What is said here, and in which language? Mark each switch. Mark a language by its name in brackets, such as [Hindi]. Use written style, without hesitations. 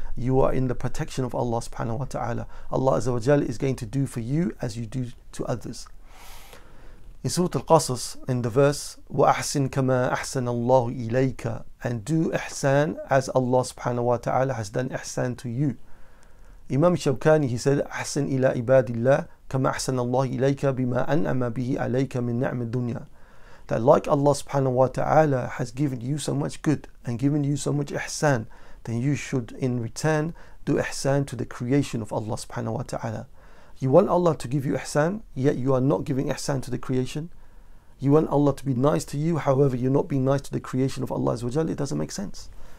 [English] You are in the protection of Allah subhanahu wa ta'ala. Allah azza wa jal is going to do for you as you do to others. In Surah Al-Qasas, in the verse, [Arabic] وَأَحْسِنْ كَمَا أَحْسَنَ اللَّهُ إِلَيْكَ. [English] And do ihsan as Allah subhanahu wa ta'ala has done ihsan to you. Imam Shawkani, he said, [Arabic] أَحْسِنْ إِلَىٰ عِبَادِ اللَّهِ كَمَا أَحْسَنَ اللَّهُ إِلَيْكَ بِمَا أَنْعَمَ بِهِ عَلَيْكَ مِنْ نِعْمِ الدُّنْيَا. [English] That like Allah subhanahu wa ta'ala has given you so much good and given you so much ihsan, then you should in return do ihsan to the creation of Allah subhanahu wa ta'ala. You want Allah to give you ihsan, yet you are not giving ihsan to the creation. You want Allah to be nice to you, however you're not being nice to the creation of Allah azza wa jalla. It doesn't make sense.